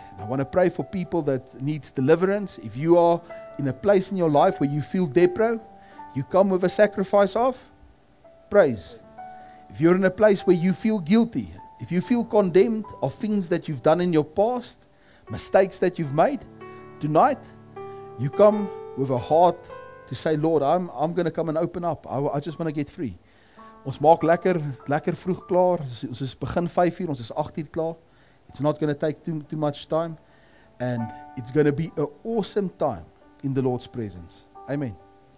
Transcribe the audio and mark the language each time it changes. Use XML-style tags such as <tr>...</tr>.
<en>And I want to pray for people that need deliverance. If you are in a place in your life where you feel depro, you come with a sacrifice of praise. If you're in a place where you feel guilty, if you feel condemned of things that you've done in your past, mistakes that you've made, tonight you come with a heart to say, Lord, I'm going to come and open up. I just want to get free.</en> <af>Ons maak lekker vroeg klaar. Ons is begin 5:00, ons is 8:00 klaar.</af> <en>It's not going to take too much time. And it's going to be an awesome time in the Lord's presence. Amen.</en>